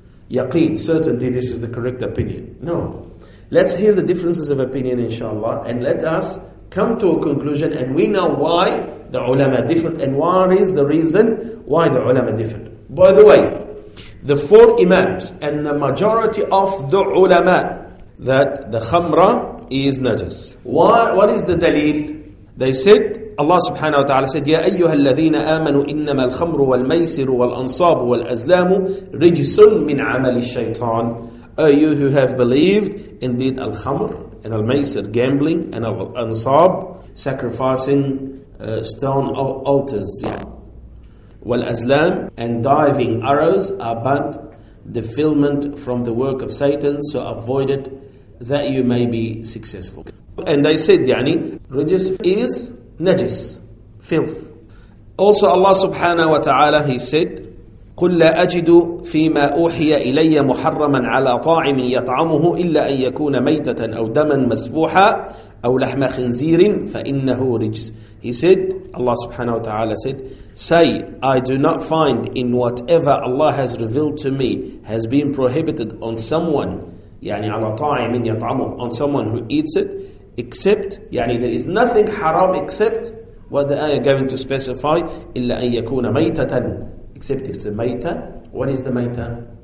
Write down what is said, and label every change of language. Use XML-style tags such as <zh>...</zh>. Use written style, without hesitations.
<en>yaqeen, certainty, this is the correct opinion. No. Let's hear the differences of opinion, inshallah, and let us come to a conclusion, and we know why the ulama differed, and what is the reason why the ulama differed. By the way, the four imams and the majority of the ulama that the khamra is najas. What is the dalil? They said,</en> <ar>Allah subhanahu wa ta'ala said, يَا أَيُّهَا الَّذِينَ آمَنُوا إِنَّمَا الْخَمْرُ وَالْمَيْسِرُ وَالْأَنصَابُ وَالْأَزْلَامُ رِجْسٌ مِّنْ عَمَلِ الشَّيْطَانِ.</ar> <en>O you who have believed, indeed al-khamr and al-maysir, gambling, and al-ansab, sacrificing stone altars. Wal-azlam, and diving arrows, are but defilement from the work of Satan, so avoid it that you may be successful. And they said, yani, rijis is najis, filth. Also Allah subhanahu wa ta'ala, he said,</en> <ar>قُلْ لَا أَجِدُ فِي مَا أُوحِيَ إِلَيَّ مُحَرَّمًا عَلَىٰ طَاعِمٍ يَطْعَمُهُ إِلَّا أَنْ يَكُونَ مَيْتَةً أَوْ دَمًا مَسْفُوحًا أَوْ لَحْمَ خِنْزِيرٍ فَإِنَّهُ رِجْسٌ.</ar> <en>He said, Allah subhanahu wa ta'ala said, say, I do not find in whatever Allah has revealed to me has been prohibited on someone,</en> <ar>يعني على طاعمٍ يطعمه,</ar> <en>on someone who eats it, except, يعني there is nothing haram except what the ayah is going to specify,</en> <ar>إِلَّا أَنْ يَكُونَ مَيْتَةً,</ar> <en>except if it's a maita. What is the maita?</en>